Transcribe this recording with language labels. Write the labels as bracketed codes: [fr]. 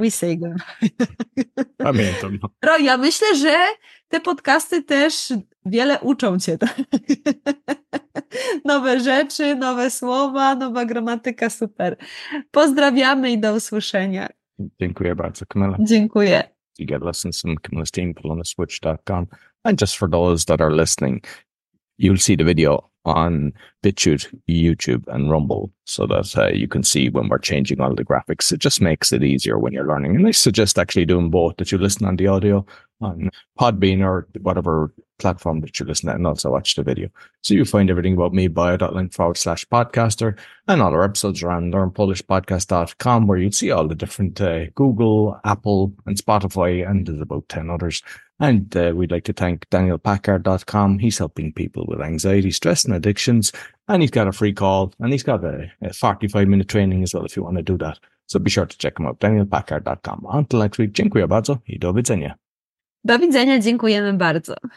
[en] We say goodbye. [pl] Pamiętam. Roj, ja myślę, że te podcasty też wiele uczą cię. Tak? Nowe rzeczy, nowe słowa, nowa gramatyka, super. Pozdrawiamy i do usłyszenia. Dziękuję bardzo, Kamila. Dziękuję. [en] You get lessons from Kamila's team, polonaswitch.com. And just for those that are listening, you'll see the video on BitChute, YouTube, and Rumble, so that you can see when we're changing all the graphics. It just makes it easier when you're learning. And I suggest actually doing both, that you listen on the audio on Podbean or whatever platform that you listen at, and also watch the video. So you'll find everything about me, bio.link/podcaster, and all our episodes are on learnpolishpodcast.com, where you'll see all the different Google, Apple, and Spotify, and there's about 10 others. And we'd like to thank danielpackard.com. He's helping people with anxiety, stress, and addictions. And he's got a free call. And he's got a 45-minute training as well if you want to do that. So be sure to check him out, danielpackard.com. Until next week, [pl] dziękuję bardzo i do widzenia. Do widzenia, dziękujemy bardzo.